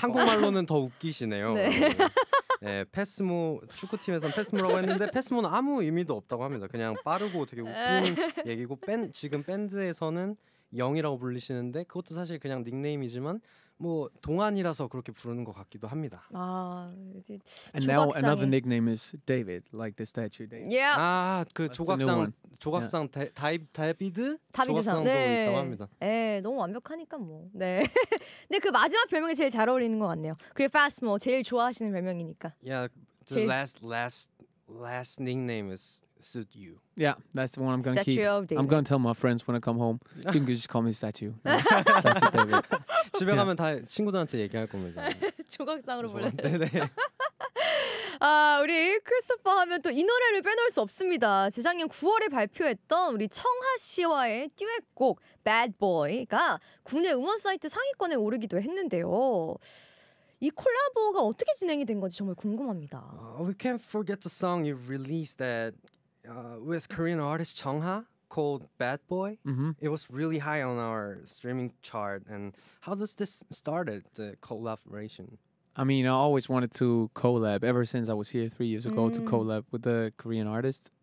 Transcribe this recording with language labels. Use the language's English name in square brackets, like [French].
[Korean] 한국말로는 더 웃기시네요. 네, 패스모 네, 축구팀에서는 패스모라고 했는데 패스모는 아무 의미도 없다고 합니다. 그냥 빠르고 되게 웃긴 얘기고 지금 밴드에서는. 영이라고 불리시는데 그것도 사실 그냥 닉네임이지만 뭐 동안이라서 그렇게 부르는 것 같기도 합니다. 아, 이제 [English] And now another nickname is David, like the statue David. Yeah. [Korean] 아, 그 조각상 조각상 다비드 다비드상도 네. 있다고 합니다. 네, 너무 완벽하니까 뭐. 네. 근데 그 마지막 별명이 제일 잘 어울리는 것 같네요. 그리고 Fast 뭐 제일 좋아하시는 별명이니까. [English] Yeah, the last nickname is. Suit you. Yeah, that's the one I'm going to keep. Statue of David. I'm going to tell my friends when I come home. You can just call me statue. Statue David. [Korean] 집에 가면 다 친구들한테 얘기할 겁니다. 조각상으로 불러. 네네. 아, 우리 크리스토퍼 하면 또 이 노래를 빼놓을 수 없습니다. 재작년 9월에 발표했던 우리 청하 씨와의 듀엣곡 Bad Boy가 국내 음원 사이트 상위권에 오르기도 했는데요. 이 콜라보가 어떻게 진행이 된 건지 정말 궁금합니다. [English] We can't forget the song you released that with Korean artist Chungha called Bad Boy. Mm-hmm. It was really high on our streaming chart. And how does this started the collaboration? I mean, I always wanted to collab ever since I was here 3 years ago to collab with a Korean artist.